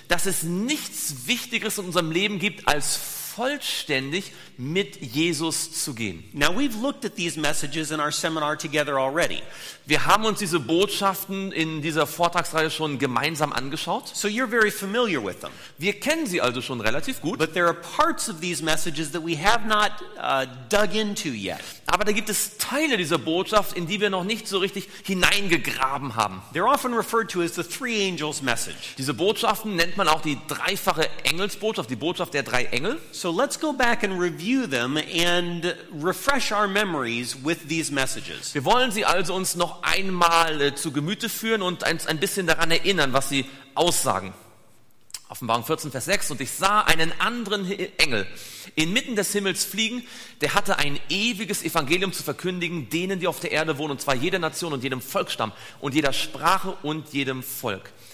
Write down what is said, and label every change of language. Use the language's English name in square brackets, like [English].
[German] Dass es nichts Wichtigeres in unserem Leben gibt, als vollständig mit Jesus zu gehen. [English] Now we've looked at these messages in our seminar together already. [German] Wir haben uns diese Botschaften in dieser Vortragsreihe schon gemeinsam angeschaut. [English] So you're very familiar with them. [German] Wir kennen sie also schon relativ gut. [English] But there are parts of these messages that we have not dug into yet. [German] Aber da gibt es Teile dieser Botschaft, in die wir noch nicht so richtig hineingegraben haben. [English] They're often referred to as the three angels message. [German] Diese Botschaften nennt man auch die dreifache Engelsbotschaft, die Botschaft der drei Engel. [English] So let's go back and review them and refresh our memories with these messages. [German] Wir wollen sie also uns noch einmal zu Gemüte führen und uns ein bisschen daran erinnern, was sie aussagen. Offenbarung 14, Vers 6, und ich sah einen anderen Engel inmitten des Himmels fliegen, der hatte ein ewiges Evangelium zu verkündigen, denen, die auf der Erde wohnen, und zwar jeder Nation und jedem Volksstamm und jeder Sprache und jedem Volk.